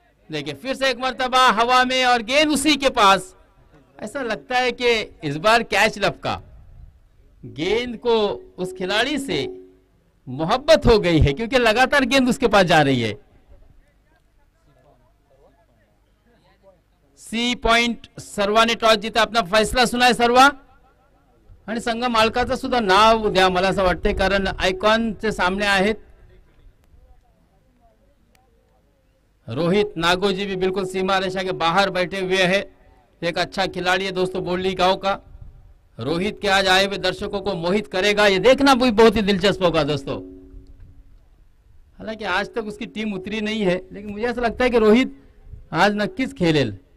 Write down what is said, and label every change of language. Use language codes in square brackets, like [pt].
[hi] देखिए फिर से एक मरतबा हवा में और गेंद उसी के पास। ऐसा लगता है कि इस बार कैच लपका, गेंद को उस खिलाड़ी से मोहब्बत हो गई है, क्योंकि लगातार गेंद उसके पास जा रही है। सी पॉइंट सर्वा ने टॉस जीता, अपना फैसला सुना है [mr] सर्वा आणि संघ मालकाचं सुद्धा नाव द्या मला असं वाटतंय, कारण आयकॉन चे सामने आहेत। [hi] रोहित नागोजी भी बिल्कुल सीमा रेषा के बाहर बैठे हुए है, एक अच्छा खिलाड़ी है दोस्तों बोल्ली गांव का। रोहित के आज आए हुए दर्शकों को मोहित करेगा, ये देखना भी बहुत ही दिलचस्प होगा दोस्तों। हालांकि आज तक उसकी टीम उतरी नहीं है, लेकिन मुझे ऐसा लगता है कि रोहित [mr] आज नक्कीस खेलेल।